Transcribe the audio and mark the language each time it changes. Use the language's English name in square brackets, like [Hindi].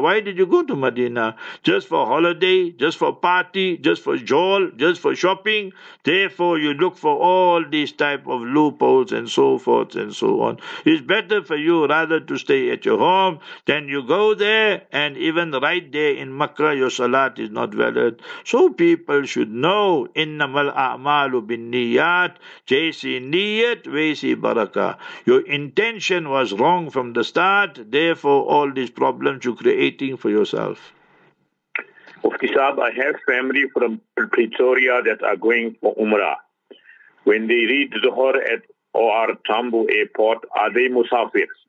[English] Why did you go to Medina? Just for holiday? Just for party? Just for jol? Just for shopping? Therefore, you look for all these type of loopholes and so forth and so on. It's better for you rather to stay at your home than you go there, and even right there in Makkah, your salat is not valid. So people should know, [Arabic] إِنَّمَا الْأَعْمَالُ بِالنِّيَّاتِ [Urdu] جَيْسِ نِيَّتْ وَيْسِ بَرَكَةِ. [English] Your intention was wrong from the start, therefore all these problems you're creating for yourself. Mufti Saab, I have family from Pretoria that are going for Umrah. When they reach Zuhur at OR Tambu Airport, are they Musafirs?